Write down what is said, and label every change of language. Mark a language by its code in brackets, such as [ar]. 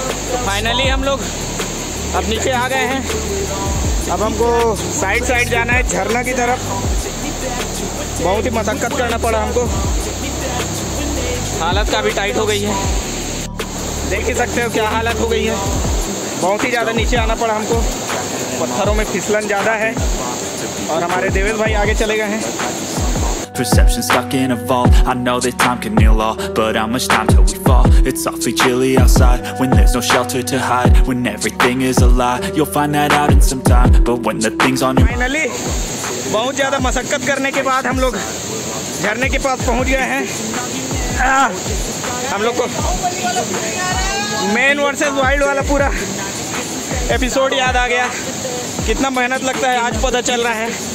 [hi] तो फाइनली हम लोग अब नीचे आ गए हैं, अब हमको साइड साइड जाना है झरना की तरफ, बहुत ही मशक्कत करना पड़ा हमको, हालत काफ़ी टाइट हो गई है, देख ही सकते हो क्या हालत हो गई है, बहुत ही ज़्यादा नीचे आना पड़ा हमको, पत्थरों में फिसलन ज़्यादा है। और हमारे देवेश भाई आगे चले गए हैं। [en] Perception stuck in a vault. I know that time can heal all, but how much time till we fall? It's awfully chilly outside when there's no shelter to hide. When everything is a lie, you'll find that out in some time. But when the things on your finally, [hi] बहुत ज़्यादा मशक्कत करने के बाद हम लोग झरने के पास पहुँच गए हैं। हम लोग को मेन वर्सेस वाइल्ड वाला पूरा एपिसोड याद आ गया, कितना मेहनत लगता है आज पता चल रहा है।